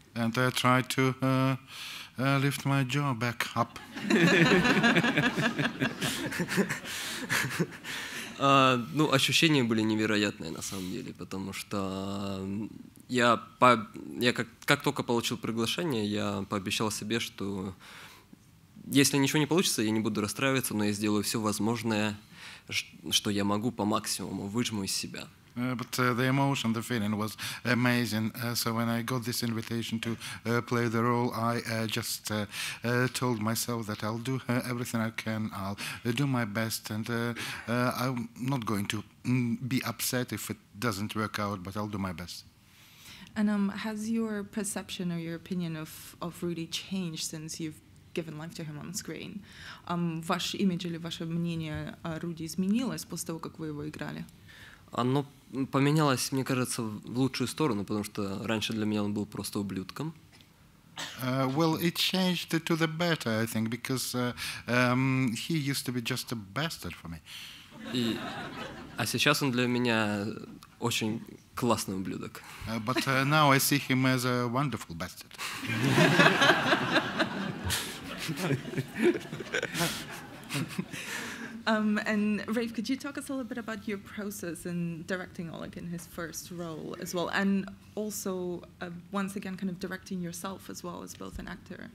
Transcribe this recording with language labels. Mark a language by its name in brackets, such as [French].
[English] And I tried to lift my jaw back up. [Russian] Ну, ощущения были невероятные, на самом деле, потому что я как только получил приглашение, я пообещал себе, что если ничего не получится, я не буду расстраиваться, но я сделаю все возможное, что я могу по максимуму, выжму из себя. [English] But the emotion, the feeling was amazing. So when I got this invitation to play the role, I just told myself that I'll do everything I can, I'll do my best, and I'm not going to be upset if it doesn't work out, but I'll do my best. And has your perception or your opinion of Rudy changed since you've given life to him on screen? [Russian] Ваш имидж или ваше мнение о Руди изменилось после того, как вы его играли? Оно поменялось, мне кажется, в лучшую сторону, потому что раньше для меня он был просто ублюдком. [English] Well, it changed to the better, I think, because he used to be just a bastard for me. [Russian] А сейчас он для меня очень классный ублюдок. [English] But now I see him as a wonderful bastard. And Rafe, could you talk us a little bit about your process in directing Oleg in his first role as well, and also once again kind of directing yourself as well as both an actor?